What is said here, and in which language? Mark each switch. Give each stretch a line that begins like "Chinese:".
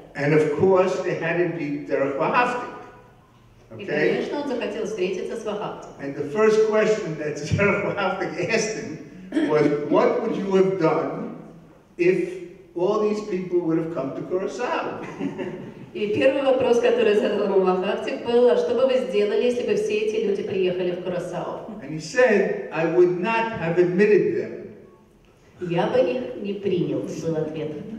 English: And of course, there had to be Derek Wahavtik.
Russian: Okay? И, конечно, он захотел встретиться с Вахавтиком.
English: And the first question that Derek Wahavtik asked him was, what would you have done if all these people would have come to Curaçao?
Russian: И первый вопрос, который задал ему Вахавтик, был, а что бы вы сделали, если бы все эти люди приехали в Курасао?
English: And he said, I would not have admitted them.
Russian: Я бы их не принял, был ответ.